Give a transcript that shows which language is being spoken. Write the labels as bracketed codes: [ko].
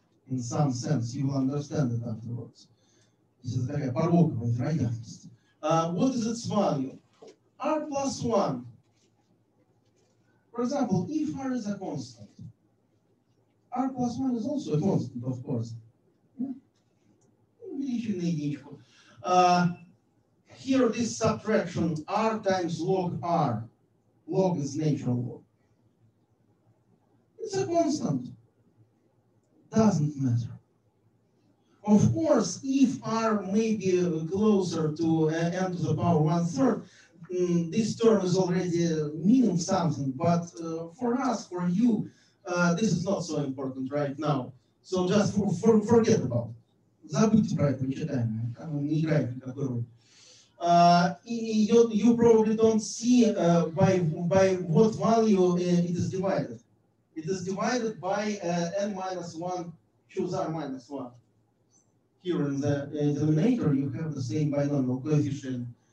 [en] In some sense, you will understand it afterwards. This is [ru] такая пороковая вероятность. [en] What is its value? R plus 1. For example, if R is a constant, R plus 1 is also a constant, of course. Yeah. Here, this subtraction, R times log R. Log is natural log. It's a constant. Doesn't matter. Of course, if R may be closer to n to the power 1/3, this term is already meaning something, but for us, for you, this is not so important right now. So just forget about it. [ru] Забудьте про это, не читаем, не играем никакой роли. [en] You probably don't see by what value it is divided. It is divided by n minus 1, choose r minus 1. Here in the denominator, you have the same binomial coefficient.